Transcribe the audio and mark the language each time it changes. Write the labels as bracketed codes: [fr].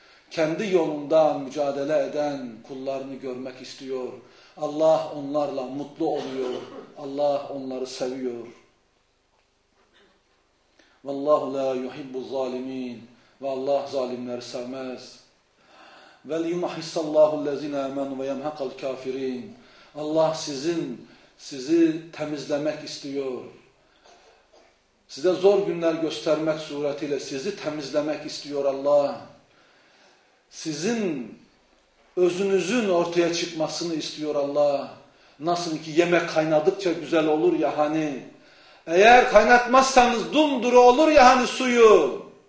[tr] Kendi yolunda mücadele eden kullarını görmek istiyor. Allah onlarla mutlu oluyor. Allah onları seviyor. [ar] Vallahu la yuhibbu zalimin. [tr] Ve Allah zalimleri sevmez. [ar] وَلْيُمَحِصَ اللّٰهُ الَّذ۪ينَ اَمَنُوا وَيَمْحَقَ الْكَافِر۪ينَ [tr] Allah sizi temizlemek istiyor. Size zor günler göstermek suretiyle sizi temizlemek istiyor Allah. Sizin özünüzün ortaya çıkmasını istiyor Allah. Nasıl ki yemek kaynadıkça güzel olur ya hani. Eğer kaynatmazsanız dumduru olur ya hani suyu.